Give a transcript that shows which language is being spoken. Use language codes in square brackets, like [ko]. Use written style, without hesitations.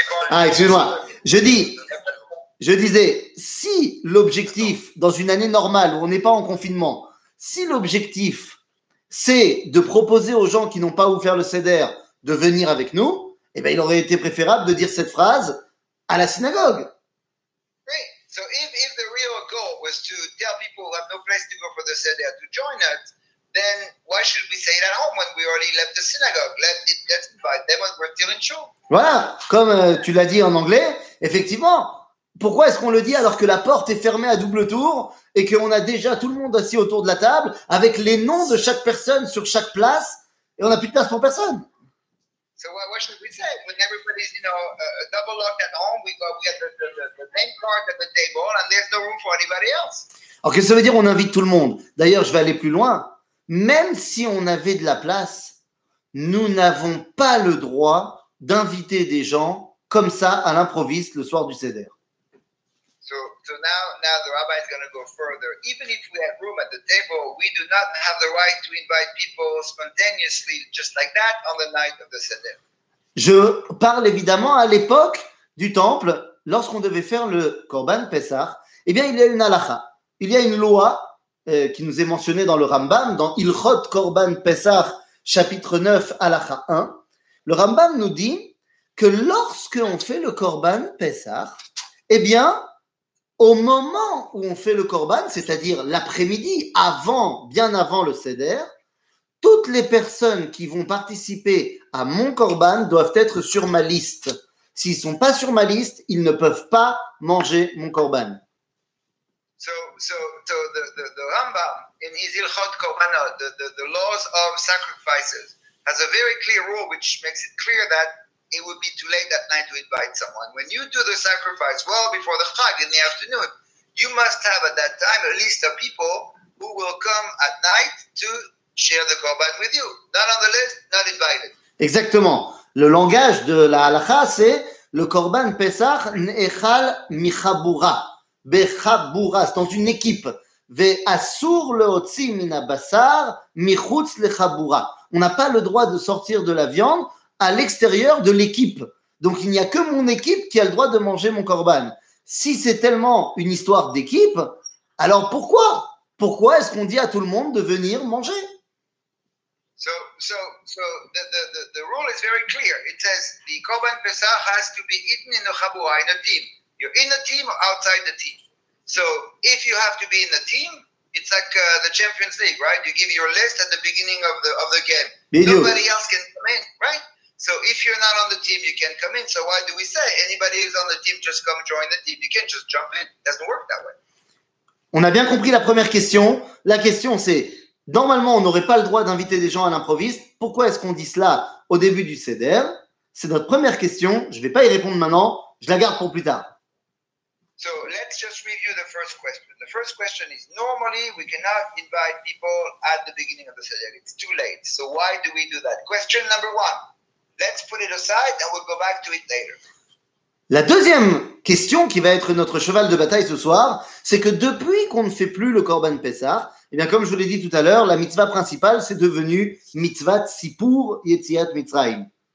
[fr] Ah, excuse-moi. Je disais, si l'objectif, dans une année normale où on n'est pas en confinement, si l'objectif, c'est de proposer aux gens qui n'ont pas ouvert le CDR de venir avec nous, eh bien, il aurait été préférable de dire cette phrase à la synagogue. [en] Right. So if the real goal was to tell people who have no place to go for the CDR to join us, then why should we say it at home when we already left the synagogue? Let's invite them and we're still in show. [fr] Voilà, comme tu l'as dit en anglais, effectivement, pourquoi est-ce qu'on le dit alors que la porte est fermée à double tour et qu'on a déjà tout le monde assis autour de la table avec les noms de chaque personne sur chaque place et on n'a plus de place pour personne? [en] So what should we say? When everybody's, you know, double locked at home, we got the main card at the table and there's no room for anybody else. [fr] Alors qu'est-ce que ça veut dire on invite tout le monde? D'ailleurs, je vais aller plus loin. Même si on avait de la place, nous n'avons pas le droit d'inviter des gens comme ça à l'improviste le soir du CDR. [en] So now the rabbi is going to go further. Even if we have room at the table, we do not have the right to invite people spontaneously just like that on the night of the seder. [fr] Je parle évidemment à l'époque du temple, lorsqu'on devait faire le Korban Pessah, eh bien il y a une halakha. Il y a une loi qui nous est mentionnée dans le Rambam, dans Ilchot Korban Pessah, chapitre 9, halakha 1. Le Rambam nous dit que lorsque on fait le Korban Pessah, eh bien, au moment où on fait le korban, c'est-à-dire l'après-midi, avant, bien avant le seder, toutes les personnes qui vont participer à mon korban doivent être sur ma liste. S'ils ne sont pas sur ma liste, ils ne peuvent pas manger mon korban. [en] So the Rambam, in his Ilchot Korbanot, the laws of sacrifices, has a very clear rule which makes it clear that it would be too late that night to invite someone. When you do the sacrifice well before the chag in the afternoon, you must have at that time a list of people who will come at night to share the korban with you. Not on the list, not invited. [fr] Exactement. Le langage de la halakha, c'est le [he] korban pesach ne'echal michabura. Bechabura, [fr] c'est dans une équipe. [he] Ve'asur le'otzi min abasar michutz lechabura. [fr] On n'a pas le droit de sortir de la viande à l'extérieur de l'équipe. Donc, il n'y a que mon équipe qui a le droit de manger mon korban. Si c'est tellement une histoire d'équipe, alors pourquoi? Pourquoi est-ce qu'on dit à tout le monde de venir manger? [en] So the rule is very clear. It says the korban pesach has to be eaten in a chabura, in a team. You're in a team or outside the team. So, if you have to be in a team, it's like the Champions League, right? You give your list at the beginning of the game. Bidou. Nobody else can come in, right? So if you're not on the team, you can come in. So why do we say anybody who's on the team, just come join the team? You can't just jump in. It doesn't work that way. [fr] On a bien compris la première question. La question, c'est, normalement, on n'aurait pas le droit d'inviter des gens à l'improviste. Pourquoi est-ce qu'on dit cela au début du CDR? C'est notre première question. Je ne vais pas y répondre maintenant. Je la garde pour plus tard. [en] So let's just review the first question. The first question is, normally we cannot invite people at the beginning of the CDR. It's too late. So why do we do that? Question number one. Let's put it aside and we'll go back to it later. [fr] La deuxième question qui va être notre cheval de bataille ce soir, c'est que depuis qu'on ne fait plus le Korban Pessah, eh bien comme je vous l'ai dit tout à l'heure, la mitzvah principale c'est devenu mitzvah Sipur Yetziat Mitzrayim.